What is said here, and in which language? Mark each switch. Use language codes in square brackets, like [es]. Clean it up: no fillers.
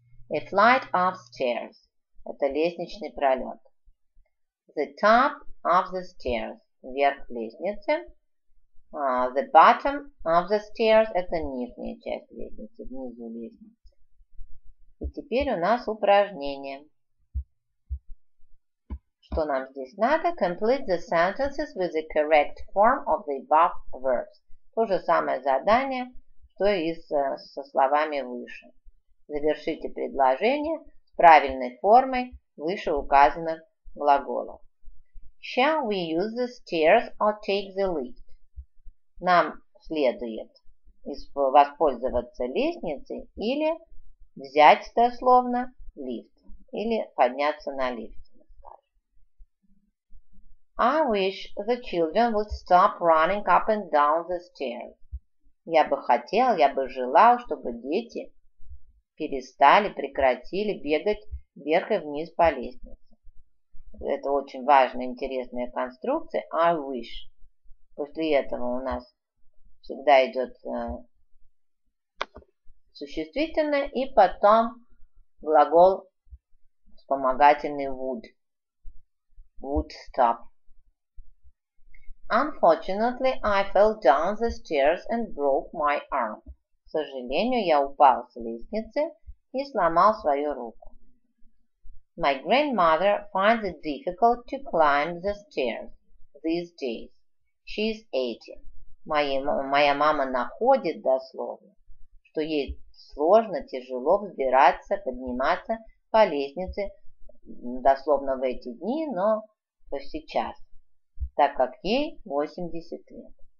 [en] A flight of stairs. [ru] Это лестничный пролет. [en] The top of the stairs. [ru] Вверх лестницы. [en] The bottom of the stairs. [ru] Это нижняя часть лестницы, внизу лестницы. И теперь у нас упражнение. Что нам здесь надо? [en] Complete the sentences with the correct form of the above verbs. [ru] То же самое задание, что и со словами выше. Завершите предложение с правильной формой выше указанных глаголов. [en] Shall we use the stairs or take the lift? [ru] Нам следует воспользоваться лестницей или взять дословно лифт. Или подняться на лифт. [en] I wish the children would stop running up and down the stairs. [ru] Я бы хотел, я бы желал, чтобы дети перестали, прекратили бегать вверх и вниз по лестнице. Это очень важная, интересная конструкция. [en] I wish. [ru] После этого у нас всегда идет существительное и потом глагол вспомогательный would. [en] Would stop. Unfortunately, I fell down the stairs and broke my arm. [ru] К сожалению, я упал с лестницы и сломал свою руку. [en] My grandmother finds it difficult to climb the stairs these days. She is 80. [ru] Моя мама находит дословно, что ей сложно, тяжело взбираться, подниматься по лестнице дословно в эти дни, но сейчас, так как ей 80 лет.